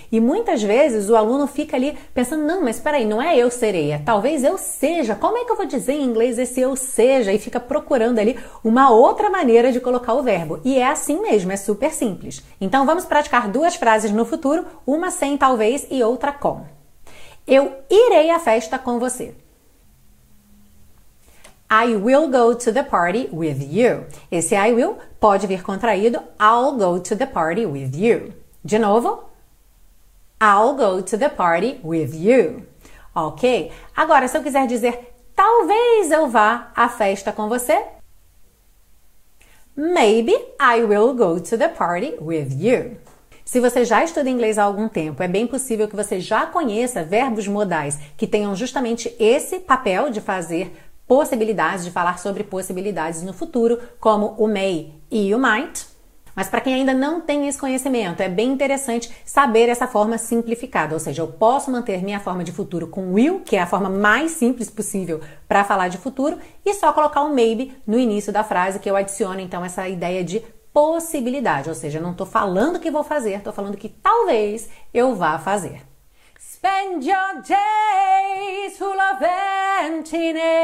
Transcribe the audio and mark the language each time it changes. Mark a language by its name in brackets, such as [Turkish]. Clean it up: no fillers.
[Portuguese] E muitas vezes o aluno fica ali pensando, não, mas peraí, não é eu serei, é talvez eu seja. Como é que eu vou dizer em inglês esse eu seja? E fica procurando ali uma outra maneira de colocar o verbo. E é assim mesmo, é super simples. Então vamos praticar duas frases no futuro, uma sem talvez e outra com. Eu irei à festa com você. [English] I will go to the party with you. [Portuguese] Esse I will pode vir contraído. [English] I'll go to the party with you. [Portuguese] De novo. [English] I'll go to the party with you. [Portuguese] Ok? Agora, se eu quiser dizer talvez eu vá à festa com você. [English] Maybe I will go to the party with you. [Portuguese] Se você já estuda inglês há algum tempo, é bem possível que você já conheça verbos modais que tenham justamente esse papel de fazer possibilidades, de falar sobre possibilidades no futuro, como o may e o might. Mas para quem ainda não tem esse conhecimento, é bem interessante saber essa forma simplificada. Ou seja, eu posso manter minha forma de futuro com will, que é a forma mais simples possível para falar de futuro, e só colocar o maybe no início da frase, que eu adiciono então essa ideia de possibilidade. Ou seja, eu não estou falando que vou fazer, estou falando que talvez eu vá fazer. [English] Spend your days full of emptiness.